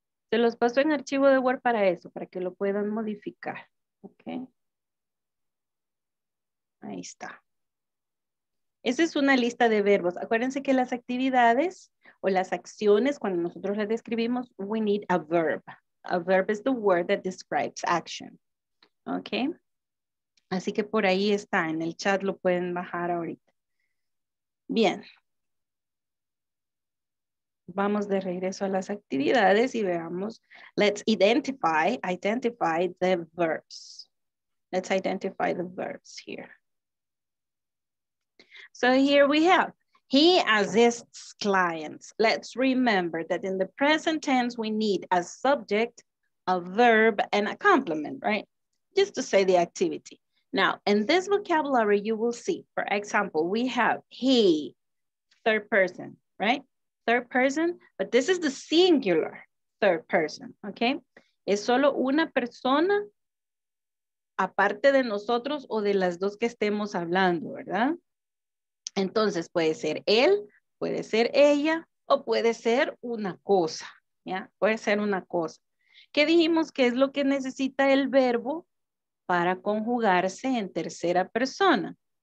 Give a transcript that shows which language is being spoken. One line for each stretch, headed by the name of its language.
Spanish: Se los paso en archivo de Word para eso, para que lo puedan modificar. Okay. Ahí está. Esa es una lista de verbos. Acuérdense que las actividades o las acciones, cuando nosotros las describimos,
English: we need a verb. A verb is the word that describes action. ¿Ok?
Spanish: Así que por ahí está, en el chat lo pueden bajar ahorita. Bien. Vamos de regreso a las actividades y veamos.
English: Let's identify the verbs. Let's identify the verbs here. So here we have, he assists clients. Let's remember that in the present tense, we need a subject, a verb, and a complement, right? Just to say the activity. Now, in this vocabulary, you will see, for example, we have he, third person, right? Third person, but this is the singular third person, okay?
Spanish: Es solo una persona aparte de nosotros o de las dos que estemos hablando, ¿verdad? Entonces, puede ser él, puede ser ella, o puede ser una cosa, ¿ya? Puede ser una cosa. ¿Qué dijimos? ¿Qué es lo que necesita el verbo para conjugarse en tercera persona?